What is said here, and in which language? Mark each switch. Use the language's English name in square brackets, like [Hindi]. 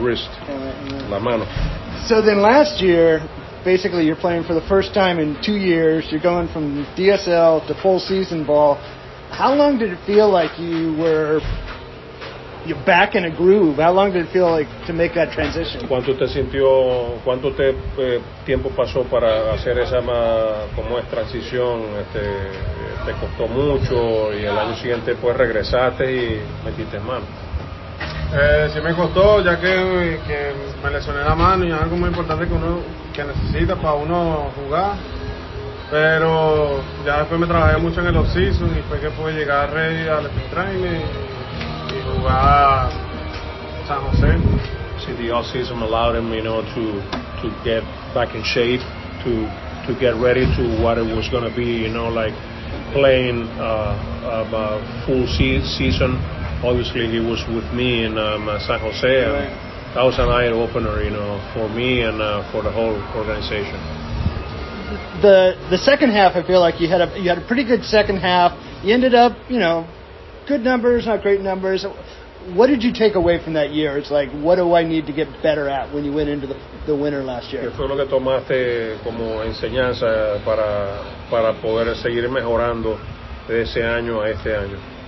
[English] Wrist. [Spanish] La mano. [English] So then last year, basically, you're playing for the first time in 2 years. You're going from DSL to full season ball. How long did it feel like you were back in a groove? How long did it feel like to make that transition? [Spanish] ¿Cuánto te sintió, cuánto te tiempo pasó para hacer esa como es transición? ¿Te costó mucho y el año siguiente pues regresaste y metiste mano? Sí me costó, ya que me lesioné la mano y algo muy importante que uno que necesita para uno jugar. Pero ya después me trabajé mucho en el off-season y fue que pude llegar ready al training y jugar San Jose. [English] See, the off-season allowed him, you know, to get back in shape, to get ready to what it was going to be, you know, like playing a full season. Obviously, he was with me in San Jose. And that was an eye-opener, you know, for me and for the whole organization. The second half, I feel like you had a pretty good second half. You ended up, you know, good numbers, not great numbers. What did you take away from that year? It's like, what do I need to get better at when you went into the winter last year? [Spanish] ¿Qué fue lo que tomaste como enseñanza para poder seguir mejorando de ese año a este año?